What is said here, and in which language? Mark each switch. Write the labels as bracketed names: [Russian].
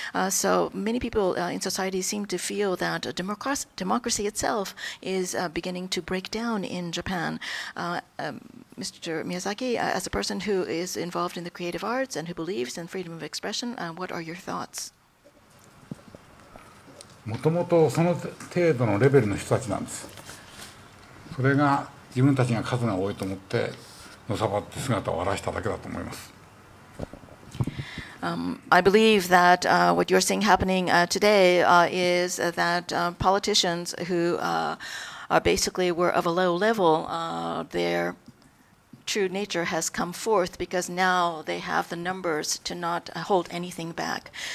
[English] So many people in society seem to feel that democracy itself is beginning to break down in Japan. Mr. Miyazaki, as a person who is involved in the creative arts and who believes in freedom of expression, what are your thoughts? [Japanese] もともとその程度のレベルの人たちなんです。それが自分たちが数が多いと思ってのさばって姿を現しただけだと思います。 [English] I believe that what you're seeing happening today is that politicians who are basically were of a low level, they're true nature has come forth because now they have the numbers to not hold anything back.